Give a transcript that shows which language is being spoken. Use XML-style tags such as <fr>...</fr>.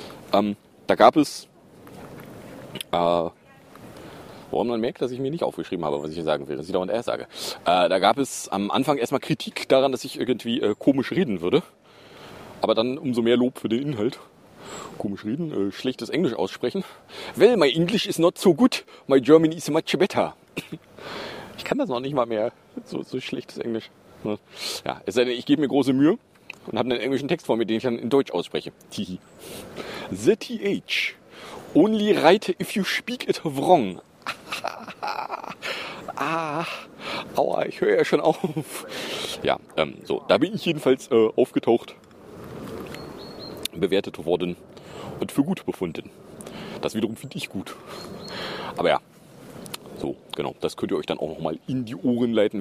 <de>Da gab es woran man merkt, dass ich mir nicht aufgeschrieben habe, was ich hier sagen will, dass ich dauernd erst sage. Da gab es am Anfang erstmal Kritik daran, dass ich irgendwie komisch reden würde. Aber dann umso mehr Lob für den Inhalt. Komisch reden, schlechtes Englisch aussprechen.</de> <en>Well, my English is not so good. My German is much better.</en> <de>Ich kann das noch nicht mal mehr. So schlechtes Englisch. Ja, es sei denn, ich gebe mir große Mühe. Und habe einen englischen Text vor mir, den ich dann in Deutsch ausspreche. The TH.</de> <en>Only right if you speak it wrong.</en> <de>Ah, aua, ich höre ja schon auf. Ja, so, da bin ich jedenfalls aufgetaucht, bewertet worden und für gut befunden. Das wiederum finde ich gut. Aber ja, so, genau, das könnt ihr euch dann auch nochmal in die Ohren leiten.</de>